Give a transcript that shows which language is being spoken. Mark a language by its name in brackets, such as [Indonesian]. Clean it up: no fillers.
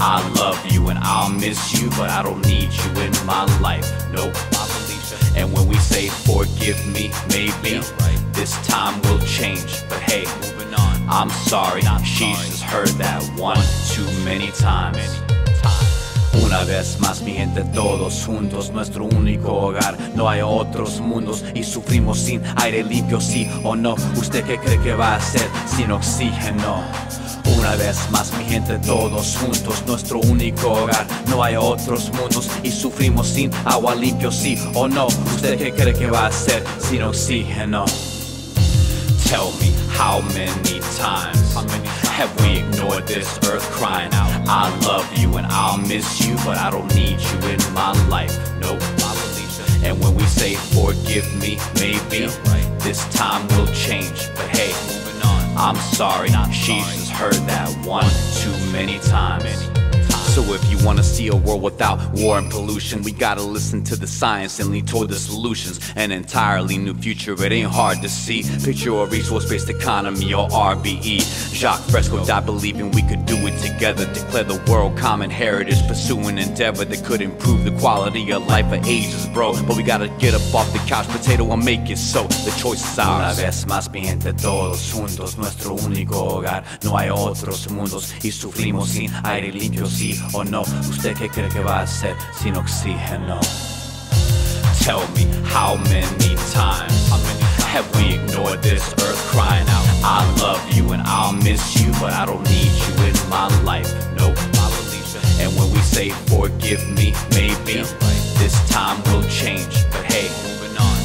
[English] I love you and I'll miss you, but I don't need you in my life. Nope. And when we say forgive me, maybe this time will change. But hey, moving on. I'm sorry, she's just heard that one too many times. [Spanish] Una vez más mi gente todos juntos, nuestro único hogar, no hay otros mundos, y sufrimos sin aire limpio, sí o no, usted qué cree que va a hacer sin oxígeno. Una vez más mi gente todos juntos, nuestro único hogar, no hay otros mundos, y sufrimos sin agua limpio, sí o no, usted qué cree que va a hacer sin oxígeno. [English] Tell me, how many times have we ignored this earth crying out? I love you and I'll miss you, but I don't need you in my life. Nope. And when we say forgive me, maybe this time will change. But hey, moving on. I'm sorry, she's just heard that one too many times. So if you wanna see a world without war and pollution, we gotta listen to the science and lean toward the solutions. An entirely new future, it ain't hard to see. Picture a resource-based economy or RBE. Jacque Fresco died believing we could do it together. Declare the world common heritage, pursue an endeavor that could improve the quality of life for ages, bro. But we gotta get up off the couch, potato, and make it so. The choice is ours. [Spanish] Una vez más mi gente todos juntos, nuestro único hogar, no hay otros mundos, y sufrimos sin aire limpio, sí. Oh no, usted que cree que va a ser sin oxígeno. [English] Tell me, how many have we ignored this earth crying out? I love you and I'll miss you, but I don't need you in my life. Nope. And when we say forgive me, maybe this time will change. But hey, moving on.